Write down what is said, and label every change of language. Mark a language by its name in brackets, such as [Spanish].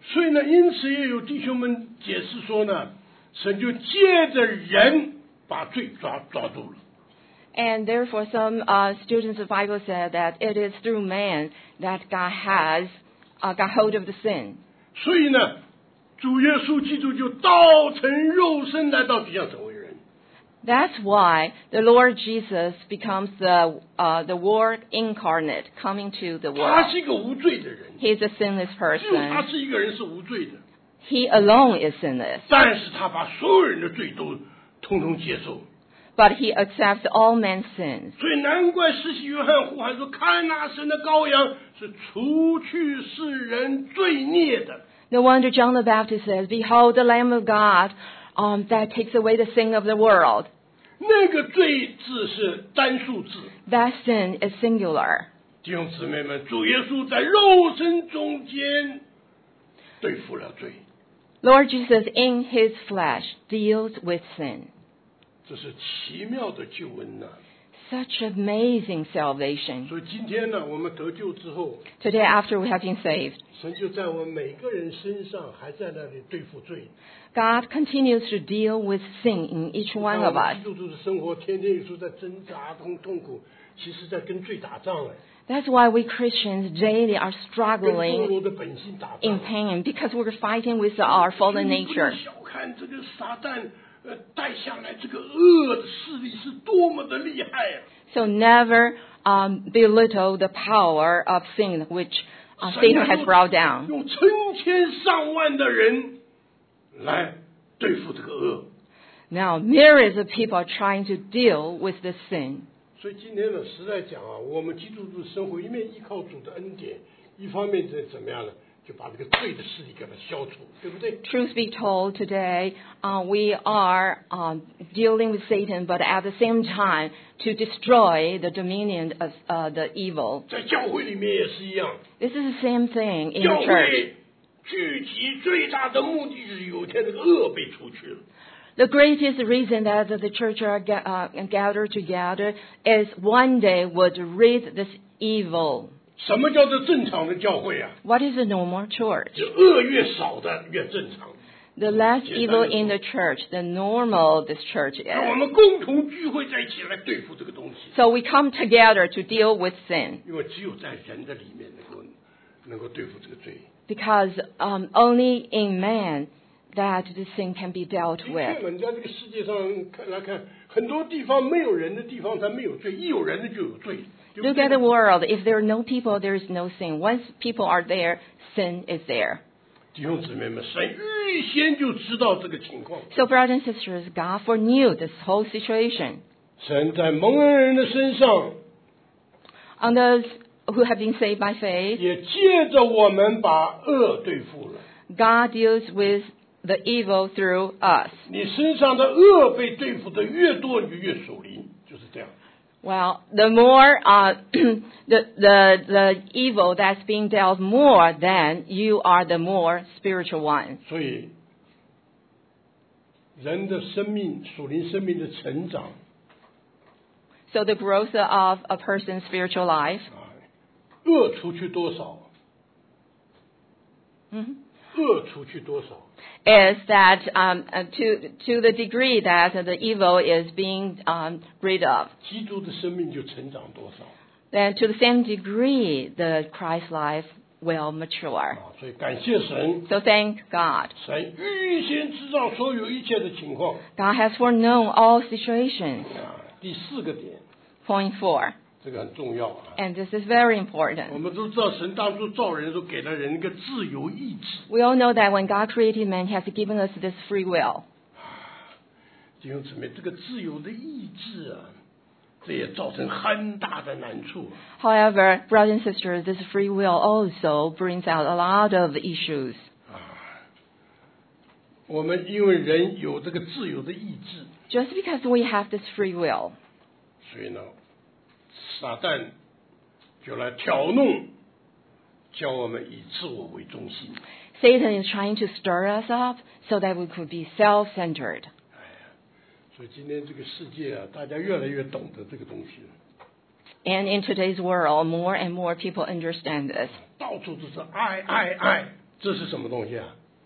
[Chinese] 所以呢因此也有弟兄们解释说呢神就借着人把罪抓住了 [English] and therefore some students of Bible said that it is through man that God has got hold of the sin [Chinese] 所以呢主耶稣基督就道成肉身来到地上成为人。 [English] That's why the Lord Jesus becomes the Word incarnate coming to the world. [Chinese] 他是一个无罪的人。 [English] He's a sinless person. [Chinese] 只有他是一个人是无罪的。 [English] He alone is sinless. [Chinese] 但是他把所有人的罪都通通接受。 [English] But he accepts all men's sins. [Chinese] 所以难怪使徒约翰呼喊说：“看那神的羔羊，是除去世人罪孽的。” [English] No wonder John the Baptist says, "Behold, the Lamb of God, that takes away the sin of the world." [Chinese] 那个罪字是单数字。 [English] That sin is singular. [Chinese] 弟兄姊妹们，主耶稣在肉身中间对付了罪。 [English] Lord Jesus in His flesh deals with sin. [Chinese] 这是奇妙的救恩呐。 [English] such amazing salvation. [Chinese] 所以今天呢，我们得救之后， [English] today after we have been saved, [Chinese] 神就在我们每个人身上还在那里对付罪。 [English] God continues to deal with sin in each one of us. [Chinese] 基督徒的生活天天是在挣扎痛痛苦，其实在跟罪打仗了。 [English] That's why we Christians daily are struggling in pain because we're fighting with our fallen nature. [Chinese] 你不能小看这个撒旦带下来这个恶的势力是多么的厉害啊。 [English] So never belittle the power of sin which Satan has brought down. [Chinese] 用成千上万的人来对付这个恶。 [English] Now, myriads of people are trying to deal with this sin. [Chinese] 所以今天呢，实在讲啊，我们基督徒生活一面依靠主的恩典，一方面在怎么样呢？就把这个罪的势力给它消除，对不对 [English] ？Truth be told, today, we are dealing with Satan, but at the same time to destroy the dominion of the evil. [Chinese] 在教会里面也是一样。 [English] This is the same thing in the church. [Chinese] 教会聚集最大的目的是有一天这个恶被除去了。 [English] The greatest reason that the church are gathered together is one day would rid this evil. [Chinese] 什么叫做正常的教会啊？ [English] What is a normal church? [Chinese] 恶越少的越正常。 [English] The less evil in the church, the normal this church is. [Chinese] 我们共同聚会在一起来对付这个东西。 [English] So we come together to deal with sin. [Chinese] 因为只有在人的里面能够对付这个罪。 [English] Because only in man,that this sin can be dealt with. [Chinese] 的确，你在这个世界上来看，很多地方没有人的地方才没有罪，一有人的就有罪。 [English] Look at the world. If there are no people, there is no sin. Once people are there, sin is there. [Chinese] 弟兄姊妹们，神预先就知道这个情况。 [English] So brothers and sisters, God foreknew this whole situation. [Chinese] 神在蒙恩人的身上。 [English] On those who have been saved by faith. [Chinese] 也借着我们把恶对付了。 [English] God deals with the evil through us. [Chinese] 你身上的恶被对付的越多，你越属灵，就是这样。 [English] Well, the more the evil that's being dealt more, then you are the more spiritual one. [Chinese] 所以，人的生命，属灵生命的成长。 [English] So the growth of a person's spiritual life. [Chinese] 恶除去多少？恶除去多少？ [English] Is that to the degree that the evil is being rid of? [Chinese] 基督的生命就成长多少？ [English] Then to the same degree, the Christ life will mature. [Chinese] 所以感谢神。 [English] So thank God. [Chinese] 神预先知道所有一切的情况。 [English] God has foreknown all situations. [Chinese] 第四个点。 [English] Point four. [Chinese] 这个很重要啊。 [English] And this is very important. [Chinese] 我们都知道神当初造人的时候给了人一个自由意志。 [English] We all know that when God created man, he has given us this free will. [Chinese] 弟兄姊妹，这个自由的意志啊，这也造成很大的难处。 [English] However, brothers and sisters, this free will also brings out a lot of issues. [Chinese] 我们因为人有这个自由的意志。 [English] Just because we have this free will. [Chinese] 所以呢？撒旦就来挑弄，叫我们以自我为中心。 [English] Satan is trying to stir us up so that we could be self-centered. [Chinese] 所以今天这个世界啊，大家越来越懂得这个东西。 [English] And in today's world, more and more people understand this. [Chinese] 到处都是爱爱爱，这是什么东西啊？